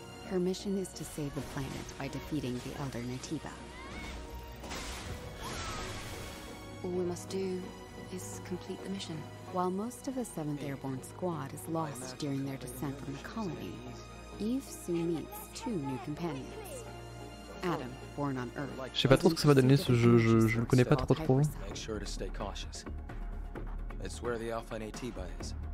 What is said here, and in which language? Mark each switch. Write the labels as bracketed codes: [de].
[en] Her mission is to save the planet by defeating the Elder Nativa. All we must do is complete the mission. While most of the 7th Airborne Squad is lost during their descent from the colony, Eve soon meets two new companions. Adam, born on Earth. [fr] Je sais pas trop ce que ça va donner ce jeu, je le connais pas trop. [en] Make sure to stay cautious. It's where the Alpha and AT by is.